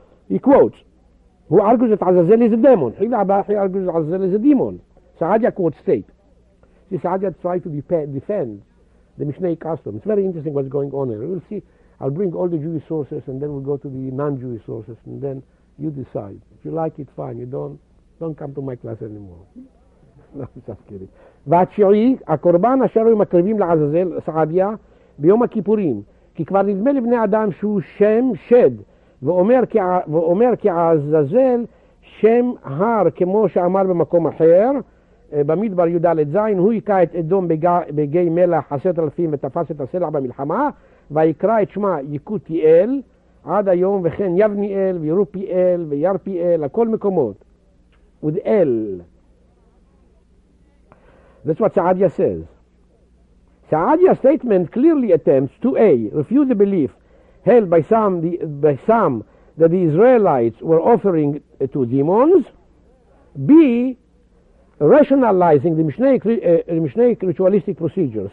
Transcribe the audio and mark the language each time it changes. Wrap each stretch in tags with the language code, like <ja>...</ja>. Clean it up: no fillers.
<en>He quotes, who argues that Azazel is a demon. Hivya Balhi argues that Azazel is a demon. Sa'adia quotes state. See, Sa'adia tried to defend the Mishnaic custom. It's very interesting what's going on here. We'll see. I'll bring all the Jewish sources and then we'll go to the non-Jewish sources and then you decide. If you like it, fine. You don't come to my class anymore. No, I'm just kidding.</en> <he>והתשיעי, הקורבן אשר הם מקריבים לעזאזל, סעדיה, ביום הכיפורים, כי כבר נדמה לבני אדם שהוא שם שד, ואומר כי עזאזל שם הר, כמו שאמר במקום אחר, במדבר י' זין, הוא יקע את אדום בגי מלח 10,000 ותפס את הסלע במלחמה, ויקרא את שמע יקותי אל עד היום וכן יבני אל וירופי אל וירפי אל הכל מקומות ודה אל.</he> <en>That's what Sa'adia says. Sa'adia's statement clearly attempts to A. refute the belief held by some that the Israelites were offering to demons, B. rationalizing the Mishnaic ritualistic procedure.</en>